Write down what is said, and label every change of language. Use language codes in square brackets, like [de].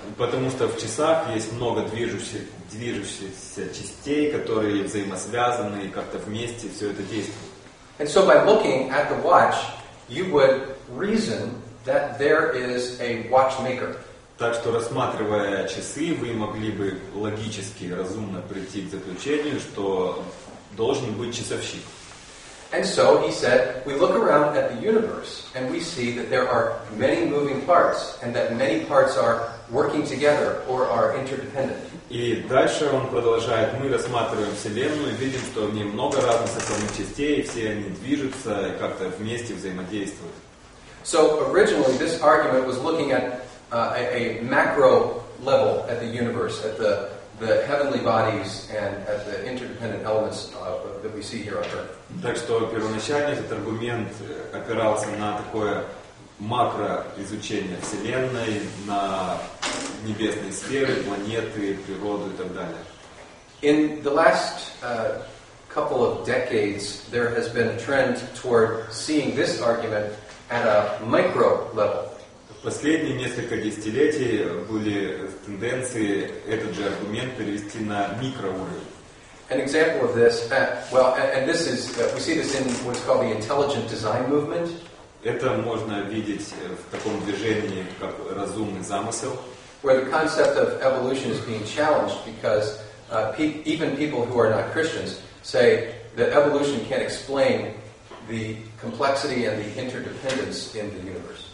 [ru] Потому что в часах есть много движущихся частей, которые взаимосвязаны, как-то вместе все это действует. [en] And so by looking at the watch, you would reason that there is a watchmaker. [ru] Так что, рассматривая часы, вы могли бы логически, разумно прийти к заключению, что должен быть часовщик. [en] And so he said, we look around at the universe and we see that there are many moving parts and that many parts are working together or are interdependent. [ru] И дальше он продолжает, мы рассматриваем Вселенную и видим, что в ней много разных составных частей, и все они движутся и как-то вместе взаимодействуют. [en] So originally this argument was looking at a macro level at the universe, at the heavenly bodies and at the interdependent elements that we see here on Earth. [ru] Так что первоначально этот аргумент опирался на такое макроизучение Вселенной, на небесные сферы, планеты, природу и так далее. [en] In the last couple of decades, there has been a trend toward seeing this argument at a micro level. [ru] Последние несколько десятилетий были тенденции этот же аргумент перевести на микроуровень. [en] An example of this, we see this in what's called the intelligent design movement. [ru] Это можно видеть в таком движении, как разумный замысел. [en] Where the concept of evolution is being challenged because even people who are not Christians say that evolution can't explain the complexity and the interdependence in the universe.